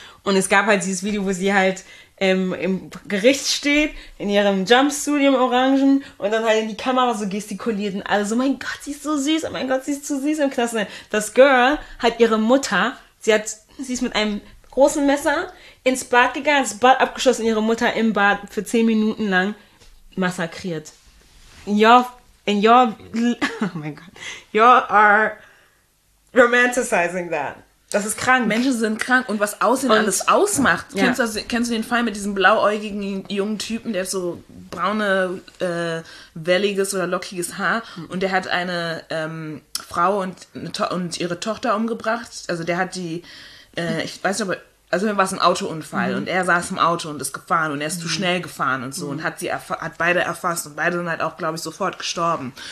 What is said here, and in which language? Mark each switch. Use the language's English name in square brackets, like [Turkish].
[German] Und es gab halt dieses Video, wo sie halt im Gericht steht, in ihrem Jumpsuit, im Orangen, und dann halt in die Kamera so gestikuliert und alle so, mein Gott, sie ist so süß, oh mein Gott, sie ist zu süß im Knast. Das Girl hat ihre Mutter, sie ist mit einem großen Messer ins Bad gegangen, das Bad abgeschossen, ihre Mutter im Bad für 10 Minuten lang massakriert. [English] In your oh [German] mein Gott, [English] you are romanticizing that. [German] Das ist krank. Menschen sind krank und was Aussehen und, alles ausmacht. Ja. Kennst du den Fall mit diesem blauäugigen jungen Typen, der hat so braune, welliges oder lockiges Haar und der hat eine Frau und ihre Tochter umgebracht. Also der hat die ich weiß nicht, also war es ein Autounfall und er saß im Auto und ist gefahren und er ist zu schnell gefahren und so und hat beide erfasst und beide sind halt auch, glaube ich, sofort gestorben.